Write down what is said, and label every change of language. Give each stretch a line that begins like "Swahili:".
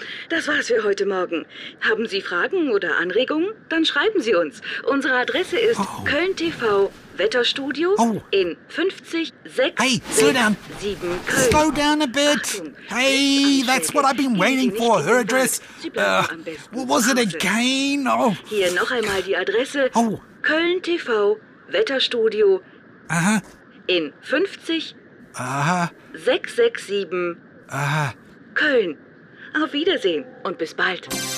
German: Das war's für heute Morgen. Haben Sie Fragen oder Anregungen? Dann schreiben Sie uns. Unsere Adresse ist Köln TV Wetterstudio in 50667
English: Köln. Hey, slow down a bit. Hey, that's what I've been waiting for. Her address. What was it again? Oh.
German: Hier noch einmal die Adresse. Köln TV Wetterstudio in 50667 Köln. Auf Wiedersehen und bis bald.